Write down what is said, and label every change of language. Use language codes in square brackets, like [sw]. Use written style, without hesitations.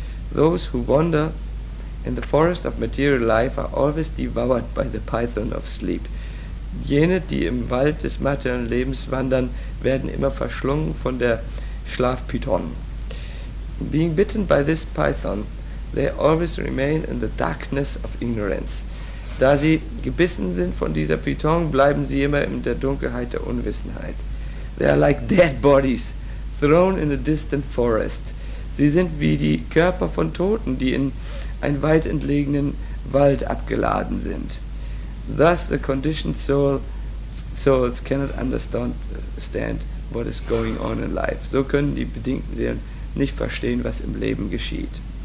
[en] Those who wander in the forest of material life are always devoured by the python of sleep. [de] Jene, die im Wald des materiellen Lebens wandern, werden immer verschlungen von der Schlafpython. [en] Being bitten by this python, they always remain in the darkness of ignorance. [de] Da sie gebissen sind von dieser Python, bleiben sie immer in der Dunkelheit der Unwissenheit. [en] They are like dead bodies, thrown in a distant forest. [de] Sie sind wie die Körper von Toten, die in einen weit entlegenen Wald abgeladen sind. [en] Thus the conditioned souls cannot understand what is going on in life. [de] So können die bedingten Seelen nicht verstehen, was im Leben geschieht.